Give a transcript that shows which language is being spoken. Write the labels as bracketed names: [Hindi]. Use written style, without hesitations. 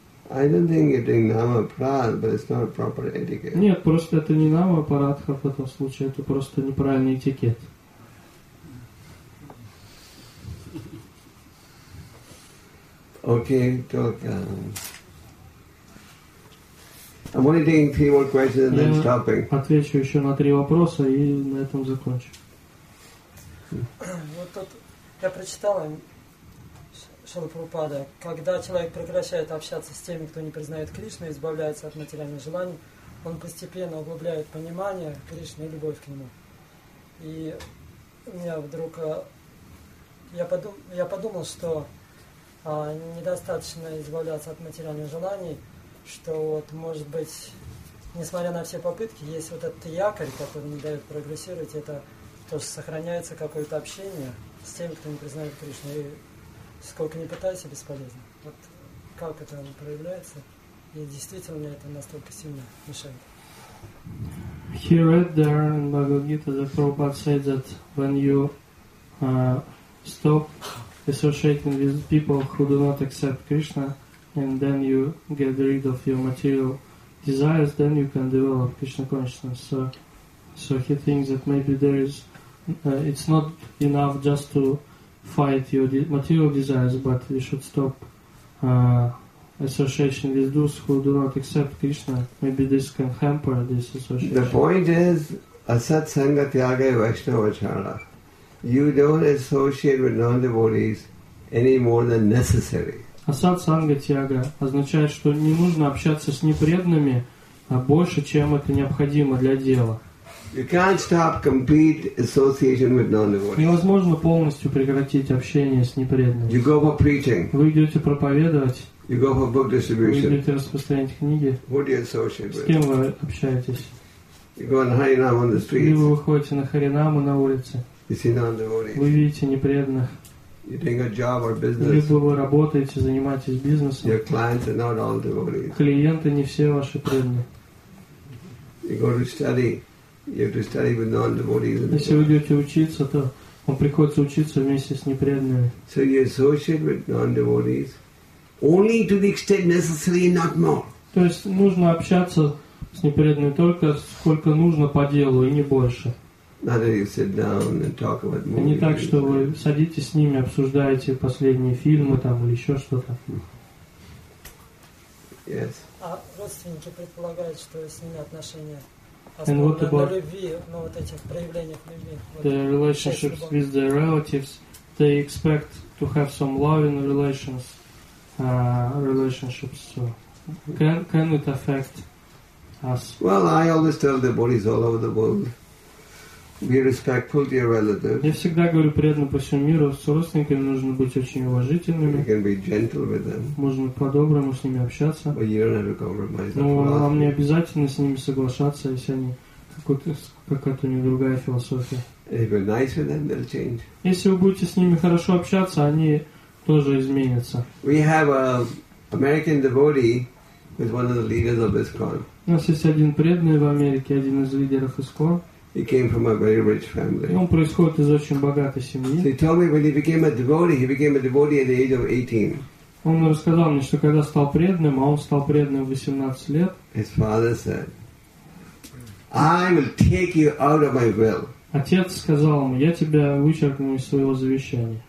[English] I don't think you're doing namaparat, but it's not a proper etiquette. [Russian] Нет, просто это не namaparat в этом случае, это просто неправильный этикет. [English] Okay, talk. I'm only taking 3 more questions and then stopping. [Russian] Отвечу еще на 3 вопроса и на этом закончу. Вот тут я прочитала, Шрилы Прабхупады, когда человек прекращает общаться с теми, кто не признает Кришну, и избавляется от материальных желаний, он постепенно углубляет понимание Кришны и любовь к нему. И у меня вдруг я подумал, что недостаточно избавляться от материальных желаний, что вот, может быть, несмотря на все попытки, есть вот этот якорь, который не дает прогрессировать, это то, что сохраняется какое-то общение с теми, кто не признает Кришну. И сколько ни пытайся, бесполезно. Вот как это проявляется? И действительно ли это настолько сильно мешает? [English] He read there in Bhagavad Gita that Prabhupada said that when you stop associating with people who do not accept Krishna, and then you get rid of your material desires, then you can develop Krishna consciousness. So he thinks that maybe there is, it's not enough just to fight your material desires, but you should stop association with those who do not accept Krishna. Maybe this can hamper this association. The point is, [Sanskrit] asat sanga tyaga vaishnava chara. [English] You don't associate with non-devotees any more than necessary. [Russian] Asat sanga tyaga означает, что не нужно общаться с непреданными больше, чем это необходимо для дела. [English] You can't stop complete association with non-devotees. [Russian] Невозможно полностью прекратить общение с непреданными. [English] You go for preaching. [Russian] Вы идете проповедовать. [English] You go for book distribution. [Russian] Вы идете распространять книги. [English] Who do you associate with? [Russian] С кем вы общаетесь? [English] You go on Harinam on the streets. [Russian] И вы выходите на Харинаму на улице. [English] You see non-devotees. [Russian] Вы видите непреданных. [English] You're doing a job or business. [Russian] Либо вы работаете, занимаетесь бизнесом. [English] Your clients are not all devotees. [Russian] Клиенты не все ваши преданные. [English] You go to study. You have to study with non-devotees. [Russian] Если вы идете учиться, то вам приходится учиться вместе с непреданными. [English] So you associate with non-devotees only to the extent necessary, not more. [Russian] То есть нужно общаться с непреданными только сколько нужно по делу и не больше. [English] Not that you sit down and talk about movies. [Russian] Не так, что вы садитесь с ними, обсуждаете последние фильмы там или еще что-то. [English] Yes. [Russian] А родственники предполагают, что с ними отношения. [English] And what about the relationships with their relatives? They expect to have some loving relations, relationships. So can it affect us? Well, I always tell the devotees all over the world, be respectful to your relatives. [Russian] Я всегда говорю преданным по всему миру, с родственниками нужно быть очень уважительными. [English] You can be gentle with them. [Russian] Можно по-доброму с ними общаться. [English] But you don't have to compromise. [Russian] Но вам не обязательно с ними соглашаться, если они какая-то у них другая философия. [English] If you're nice with them, they'll change. [Russian] Если вы будете с ними хорошо общаться, они тоже изменятся. [English] We have an American devotee who's one of the leaders of ISKCON. [Russian] У нас есть один преданный в Америке, один из лидеров ISKCON. [English] He came from a very rich family. [Russian] Он происходит из очень богатой семьи. [English] So he told me when he became a devotee at the age of 18. [Russian] Он рассказал мне, что когда стал преданным, а он стал преданным в 18 лет. [English] His father said, "I will take you out of my will." [Russian] Отец сказал ему, я тебя вычеркну из своего завещания.